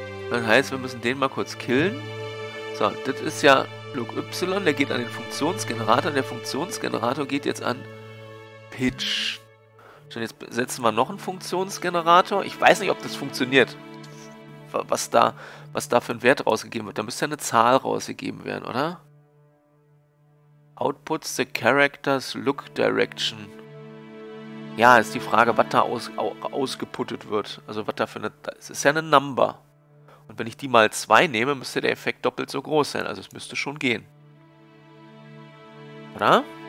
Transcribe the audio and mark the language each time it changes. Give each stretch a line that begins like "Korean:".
German: Das heißt, wir müssen den mal kurz killen. So, das ist ja Look Y, der geht an den Funktionsgenerator. Der Funktionsgenerator geht jetzt an Pitch. So, jetzt setzen wir noch einen Funktionsgenerator. Ich weiß nicht, ob das funktioniert. Was da für ein Wert rausgegeben wird. Da müsste ja eine Zahl rausgegeben werden, oder?
English: Outputs the character's look direction.
German: Ja, ist die Frage, was da ausgeputtet wird. Also was da für eine. Es ist ja eine Number. Und wenn ich die mal 2 nehme, müsste der Effekt doppelt so groß sein. Also es müsste schon gehen. Oder?